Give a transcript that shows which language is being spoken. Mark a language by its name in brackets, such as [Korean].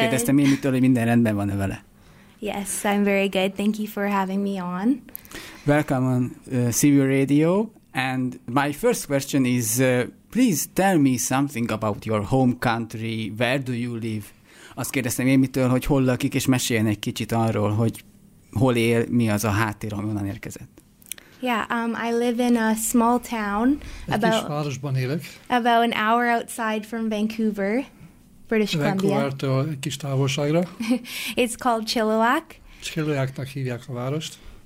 [Hungarian] Kérdeztem Amy-től, hogy minden rendben van-e vele. [English] Yes, I'm very good. Thank you for having me on. Welcome on Civil Radio. And my first question is, please tell me something about your home country. Where do you live? [Hungarian] Azt kérdeztem Amy-től, hogy hol lakik, és meséljen egy kicsit arról, hogy hol él, mi az a háttér, honnan érkezett. [English] I live in a small town. [Hungarian] Egy kis városban élek. [English] About an hour outside from Vancouver, British Columbia. [Hungarian] Vancouvertől egy kis távolságra. [English] It's called Chilliwack. [Hungarian] Chilliwacknak hívják a várost.